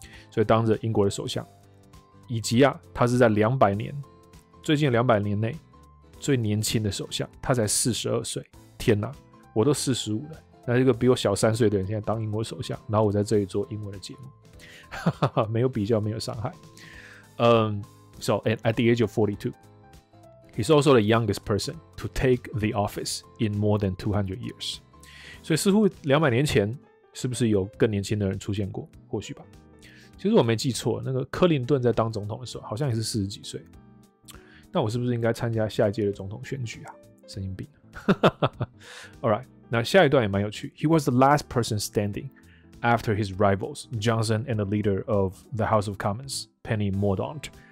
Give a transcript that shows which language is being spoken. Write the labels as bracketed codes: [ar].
[zh] 所以当着英国的首相，以及啊他是在200年最近200年内最年轻的首相，他才42岁。天哪，我都45了，那这个比我小3岁的人现在当英国首相，然后我在这里做英文的节目，哈哈哈，没有比较没有伤害。 [en] So, and at the age of 42, he's also the youngest person to take the office in more than 200 years. [zh] 所以似乎200年前是不是有更年轻的人出现过？或许吧。其实我没记错，那个克林顿在当总统的时候好像也是40几岁。那我是不是应该参加下一届的总统选举啊？神经病。Alright, 那下一段也蛮有趣。 [en] He was the last person standing after his rivals, Johnson and the leader of the House of Commons, Penny Mordaunt.